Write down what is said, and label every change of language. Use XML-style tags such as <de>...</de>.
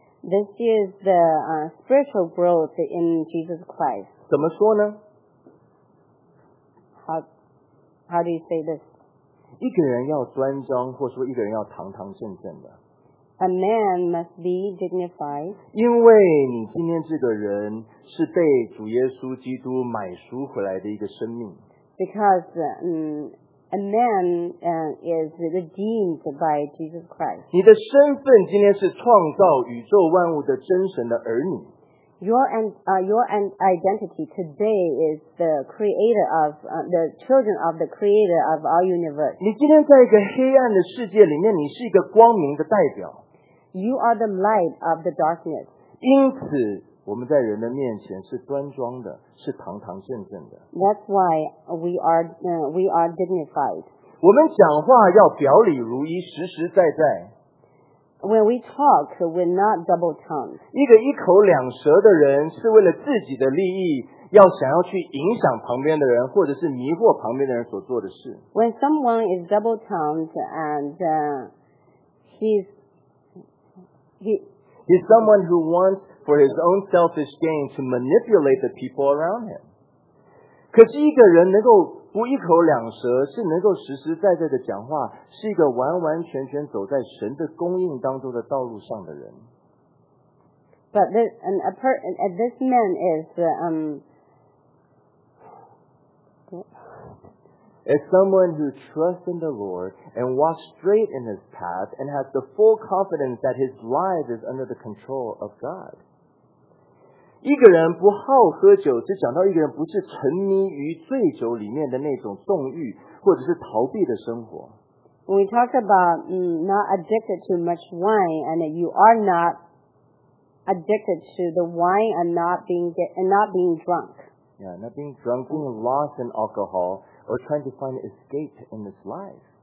<en>This is the spiritual growth in Jesus Christ.</en> <zh>怎么说呢？</zh> <en>How do you say this?</en> <zh>一个人要端庄，或说一个人要堂堂正正的。</zh> <en>A man must be dignified.</en> <zh>因为你今天这个人是被主耶稣基督买赎回来的一个生命。</zh> <en>Because a man is redeemed by Jesus Christ.</en> <zh>你的身份今天是创造宇宙万物的真神的儿女。</zh> <en>Your identity today is the creator of the children of the creator of our universe.</en> <zh>你今天在一个黑暗的世界里面，你是一个光明的代表。</zh> <en>You are the light of the darkness.</en> <zh>因此，我们在人的面前是端庄的，是堂堂正正的。</zh> <en>That's why we are dignified.</en> <zh>我们讲话要表里如一，实实在在。</zh> <en>When we talk, we're not double-tongued.</en> <zh>一个一口两舌的人是为了自己的利益，要想要去影响旁边的人，或者是迷惑旁边的人所做的事。</zh> <en>When someone is double-tongued and he's someone who wants for his own selfish gain to manipulate the people around him.</en> <zh>可是一个人能够不一口两舌，是能够实实在在的讲话，是一个完完全全走在神的供应当中的道路上的人。</zh> <en>But this, and a person, this man is It's someone who trusts in the Lord and walks straight in His path and has the full confidence that his life is under the control of God.</en> <zh>一个人不好喝酒，是讲到一个人不是沉迷于醉酒里面的那种纵欲，或者是逃避的生活。</zh> <en>When we talk about not addicted to much wine, and that you are not addicted to the wine and not being drunk. Yeah, not being drunk, being lost in alcohol, or trying to find escape in this life.</en>